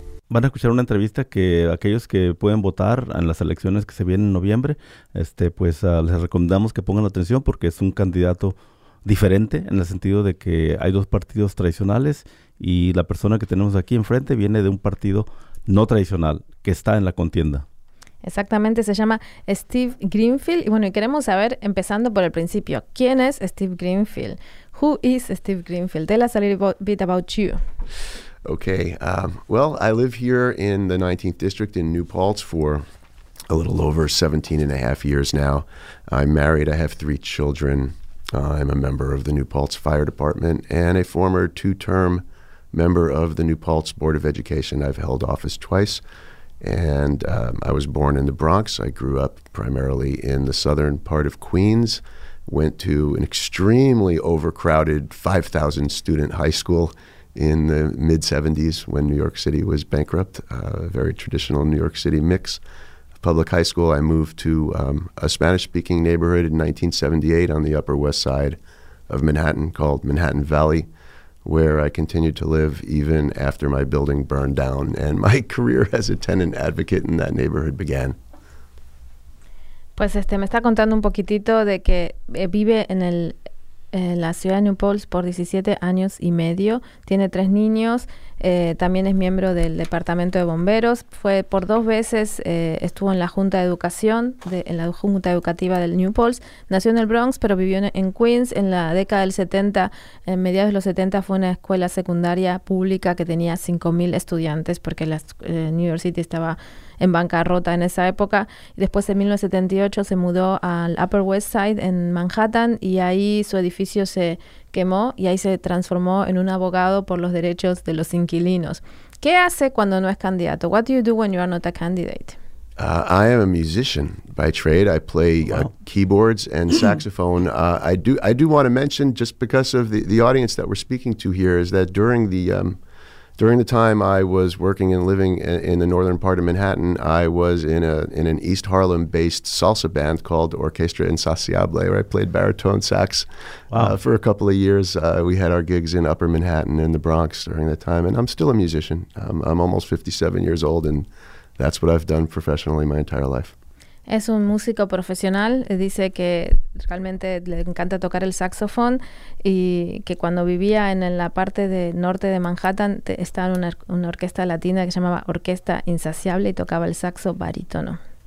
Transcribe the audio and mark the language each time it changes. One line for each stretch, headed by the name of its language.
Spanish: Van a escuchar una entrevista que aquellos que pueden votar en las elecciones que se vienen en noviembre, les recomendamos que pongan atención porque es un candidato diferente en el sentido de que hay dos partidos tradicionales y la persona que tenemos aquí enfrente viene de un partido no tradicional que está en la contienda. Exactamente, se llama Steve Greenfield. Y bueno, y queremos saber, empezando por el principio, ¿quién es Steve Greenfield?
English: Who is Steve Greenfield? Tell us a little bit about you. Okay. Well, I live here in the 19th District in New Paltz for a little over 17 and a half years now. I'm married. I have three children. I'm a member of the New Paltz Fire Department and a former two-term member of the New Paltz Board of Education. I've held office twice. And I was born in the Bronx. I grew up primarily in the southern part of Queens. Went to an extremely overcrowded 5,000 student high school in the mid-70s when New York City was bankrupt, a very traditional New York City mix of public high school. I moved to a Spanish-speaking neighborhood in 1978 on the Upper West Side of Manhattan called Manhattan Valley, where I continued to live even after my building burned down and my career as a tenant advocate in that neighborhood began.
Spanish: Pues me está contando un poquitito de que vive en el... en la ciudad de New Paltz por 17 años y medio, tiene tres niños, también es miembro del Departamento de Bomberos, fue por dos veces, estuvo en la Junta de Educación, en la Junta Educativa del New Paltz, nació en el Bronx, pero vivió en Queens, en la década del 70, en mediados de los 70 fue una escuela secundaria pública que tenía 5,000 estudiantes, porque la New York City estaba en bancarrota en esa época. Después, en 1978, se mudó al Upper West Side en Manhattan y ahí su edificio se quemó y ahí se transformó en un abogado por los derechos de los inquilinos. ¿Qué hace cuando no es candidato?
English: What do you do when you are not a candidate? I am a musician by trade. I play keyboards and saxophone. I do want to mention, just because of the audience that we're speaking to here, is that during the during the time I was working and living in the northern part of Manhattan, I was in an East Harlem-based salsa band called Orquestra Insaciable, where I played baritone sax for a couple of years. We had our gigs in Upper Manhattan and the Bronx during that time, and I'm still a musician. I'm almost 57 years old, and that's what I've done professionally my entire life.
Spanish: Es un músico profesional, dice que realmente le encanta tocar el saxofón y que cuando vivía en la parte de norte de Manhattan estaba en una orquesta latina que se llamaba Orquesta Insaciable y tocaba el saxo barítono.